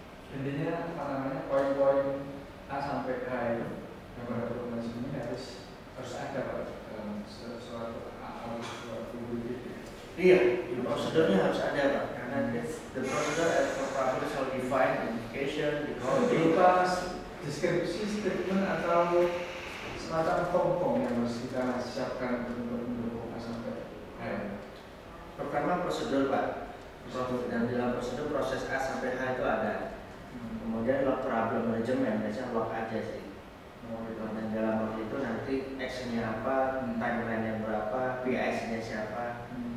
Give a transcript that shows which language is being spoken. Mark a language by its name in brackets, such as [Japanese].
[Indonesian] Intinya apa namanya poin-poin A sampai K itu yang pada problem management harus ada pak dalam suatu suatu bidang. Iya, prosedurnya harus ada pak. [English] The procedure as for problem shall define indication, [Indonesian] berupa deskripsi statement atau semacam form-form yang harus kita siapkan untuk mendukung sampai H. Pertama prosedur pak, prosedur. Dan dalam prosedur proses A sampai H itu ada. Kemudian log problem management biasanya log aja sih. Dan dalam log itu nanti actionnya apa, timelinenya berapa, BIC-nya siapa.